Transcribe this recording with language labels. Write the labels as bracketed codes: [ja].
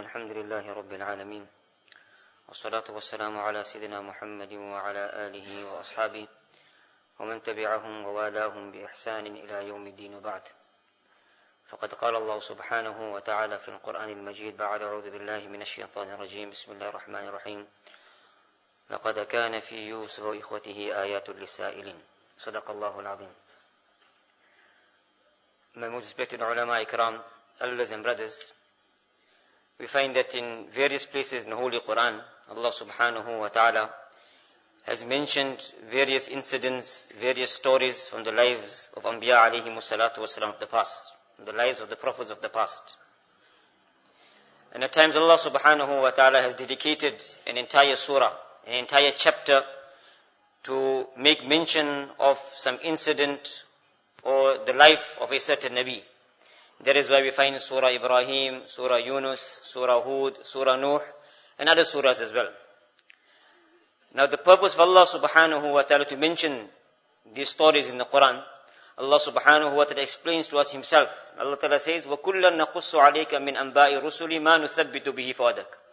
[ar] الحمد لله رب العالمين، والصلاة والسلام على سيدنا محمد وعلى آله وأصحابه ومن تبعهم ووالاهم بإحسان إلى يوم الدين بعد. فقد قال الله سبحانه وتعالى في القرآن المجيد بعد: أعوذ بالله من الشيطان الرجيم، بسم الله الرحمن الرحيم، لقد كان في يوسف وإخوته آيات للسائلين، صدق الله العظيم. [en] My most respected ulama ikram, elders and brothers, we find that in various places in the Holy Quran, Allah subhanahu wa ta'ala has mentioned various incidents, various stories from the lives of Anbiya alayhi salatu wasalam of the past, the lives of the prophets of the past. And at times Allah subhanahu wa ta'ala has dedicated an entire surah, an entire chapter, to make mention of some incident or the life of a certain Nabi. That is why we find Surah Ibrahim, Surah Yunus, Surah Hud, Surah Nuh, and other surahs as well. Now the purpose of Allah subhanahu wa ta'ala to mention these stories in the Quran, Allah subhanahu wa ta'ala explains to us himself. Allah ta'ala says, [ar] وَكُلَّا نَقُصُّ عَلَيْكَ مِنْ أَنْبَاءِ رُسُلِ مَا نُثَبِّتُ بِهِ فَوَدَكَ.